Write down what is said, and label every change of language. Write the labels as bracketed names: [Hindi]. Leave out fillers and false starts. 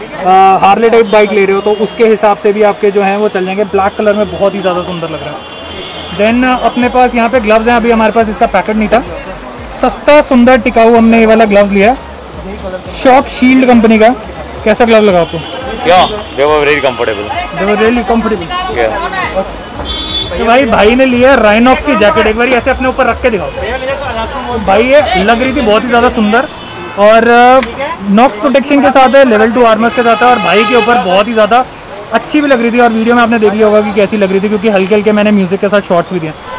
[Hindi] Harley type bike ले रहे हो तो उसके हिसाब से भी आपके जो हैं वो चल जाएंगे, ब्लैक कलर में बहुत ही ज़्यादा सुंदर लग रहा है। देन अपने पास यहाँ पे ग्लव्स हैं, अभी हमारे पास इसका पैकेट नहीं था, सस्ता सुंदर टिकाऊ हमने ये वाला ग्लव्स लिया, शॉक शील्ड कंपनी का। कैसा ग्लव लगा आपको? [English] Yeah, they were really comfortable. [Hindi] तो भाई ने लिया राइनॉक्स की जैकेट, एक बार ऐसे अपने ऊपर रख के दिखाओ भाई, ये लग रही थी बहुत ही ज़्यादा सुंदर, और नॉक्स प्रोटेक्शन के साथ है, लेवल 2 आर्मर्स के साथ है, और भाई के ऊपर बहुत ही ज़्यादा अच्छी भी लग रही थी, और वीडियो में आपने देख लिया होगा कि कैसी लग रही थी, क्योंकि हल्के हल्के मैंने म्यूजिक के साथ शॉट्स भी दिए।